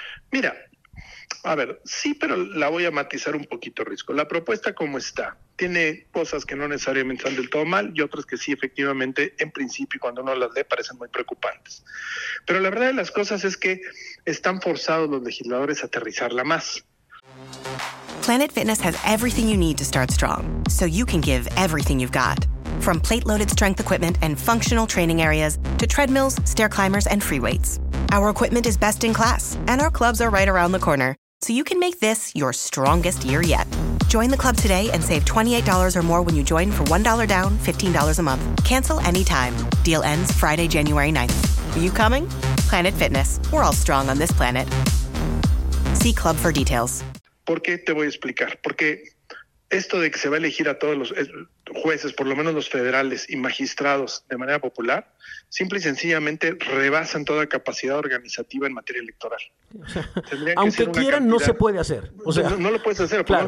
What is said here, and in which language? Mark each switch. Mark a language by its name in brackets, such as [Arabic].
[Spanish] Mira, a ver, sí, pero la voy a matizar un poquito, Risco. La propuesta como está, tiene cosas que no necesariamente están del todo mal y otras que sí, efectivamente, en principio, cuando uno las lee, parecen muy preocupantes. Pero la verdad de las cosas es que están forzados los legisladores a aterrizarla más. [English] Planet Fitness has everything you need to start strong, so you can give everything you've got. From plate-loaded strength equipment and functional training areas to treadmills, stair climbers, and free weights. Our equipment is best in class, and our clubs are right around the corner, so you can make this your strongest year yet. Join the club today and save $28 or more when you join for $1 down, $15 a month. Cancel anytime. Deal ends Friday, January 9th. Are you coming? Planet Fitness. We're all strong on this planet. See club for details. [Spanish] ¿Por qué te voy a explicar? Porque esto de que se va a elegir a todos los jueces, por lo menos los federales y magistrados de manera popular, simple y sencillamente rebasan toda capacidad organizativa en materia electoral. Aunque quieran, cantidad, no se puede hacer. O sea, no lo puedes hacer, claro.